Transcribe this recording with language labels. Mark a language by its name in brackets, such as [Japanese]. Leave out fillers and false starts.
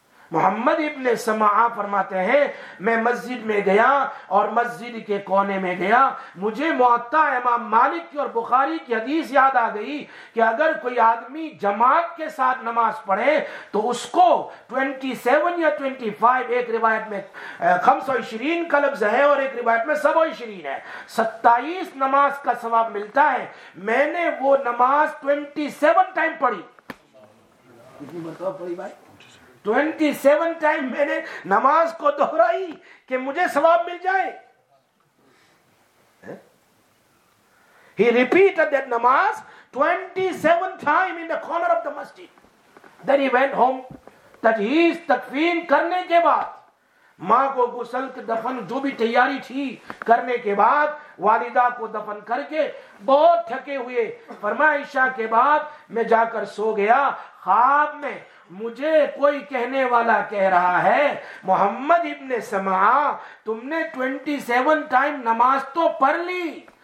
[Urdu] محمد ابن سمعہ فرماتے ہیں میں مسجد میں گیا اور مسجد کے کونے میں گیا, مجھے معطا امام مالک کی اور بخاری کی حدیث یاد آ گئی کہ اگر کوئی آدمی جماعت کے ساتھ نماز پڑھے تو اس کو 27 یا 25, ایک روایت میں 25 کا لفظ ہے اور ایک روایت میں 27 ہے, 27 نماز کا ثواب ملتا ہے. میں نے وہ نماز 27 ٹائم پڑھی. کتنی مرتبہ پڑھی بھائی؟ 27 ٹائم میں نے نماز کو دہرائی کہ مجھے ثواب مل جائے. [English] He repeated that namaz 27 time in the corner of the masjid. Then he went home. [Urdu] تجہیز تکفین کرنے کے بعد ماں کو غسل دفن جو بھی تیاری تھی کرنے کے بعد والدہ کو دفن کر کے بہت تھکے ہوئے, فرمایا عشاء کے بعد میں جا کر سو گیا, خواب میں مجھے کوئی کہنے والا کہہ رہا ہے محمد ابن سمعہ تم نے 27 ٹائم نماز تو پڑھ لی,